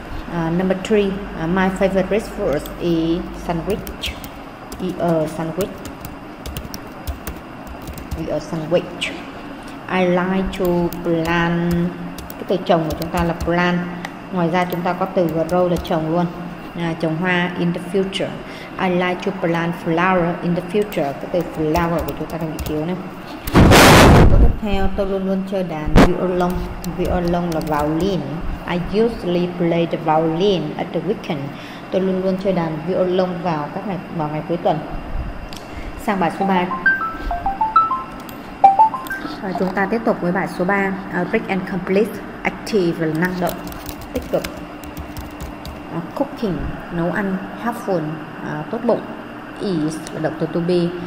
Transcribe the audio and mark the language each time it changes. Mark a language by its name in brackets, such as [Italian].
[English] Number 3, my favorite food is sandwich. Eat a sandwich. I like to plan. [Vietnamese] Cái từ trồng của chúng ta là plan. Ngoài ra chúng ta có từ grow là trồng luôn. Trồng hoa [English] in the future. I like to plant flower in the future. [Vietnamese] Cái từ flower của chúng ta đang bị thiếu nè. Tiếp theo, tôi luôn luôn chơi đàn violin. Violin là violin. [English] I usually play the violin at the weekend. [Vietnamese] Tôi luôn luôn chơi đàn violin vào các ngày, vào ngày cuối tuần. Sang bài số 3. Chúng ta tiếp tục với bài số 3. [English] Quick and complete. [Vietnamese] Active là năng động, tích cực. Cooking, nấu ăn. Helpful, tốt bụng. Is là động từ to be.